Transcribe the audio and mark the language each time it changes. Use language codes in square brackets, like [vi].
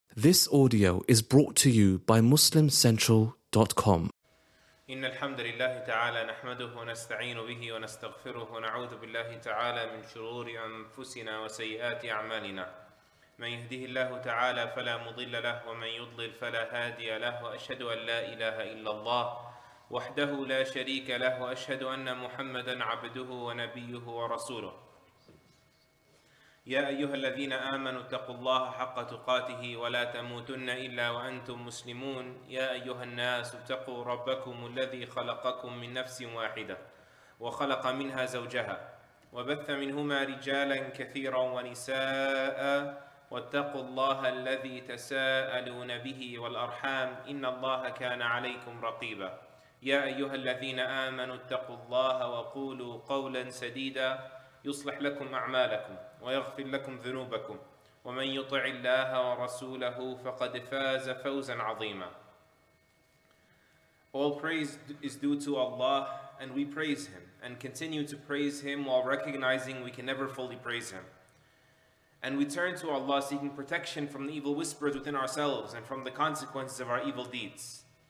[en] This audio is brought to you by MuslimCentral.com. [ar] إن الحمد لله تعالى نحمده ونستعين به ونستغفره ونعوذ بالله تعالى من شرور أنفسنا وسيئات أعمالنا. من يهده الله تعالى فلا مضل له ومن يضلل فلا هادي له وأشهد أن لا إله إلا الله وحده لا شريك له وأشهد أن محمدا عبده ونبيه ورسوله. يا أيها الذين آمنوا اتقوا الله حق تقاته ولا تموتن إلا وأنتم مسلمون. يا أيها الناس اتقوا ربكم الذي خلقكم من نفس واحدة وخلق منها زوجها وبث منهما رجالا كثيرا ونساء واتقوا الله الذي تساءلون به والأرحام إن الله كان عليكم رقيبا. يا أيها الذين آمنوا اتقوا الله وقولوا قولا سديدا يصلح لكم أعمالكم ويغفر لكم ذنوبكم ومن يطع الله ورسوله فقد فاز فوزا عظيما. [en] All praise is due to Allah and we praise Him and continue to praise Him while recognizing we can never fully praise Him. And we turn to Allah seeking protection from the evil whispers within ourselves and from the consequences of our evil deeds.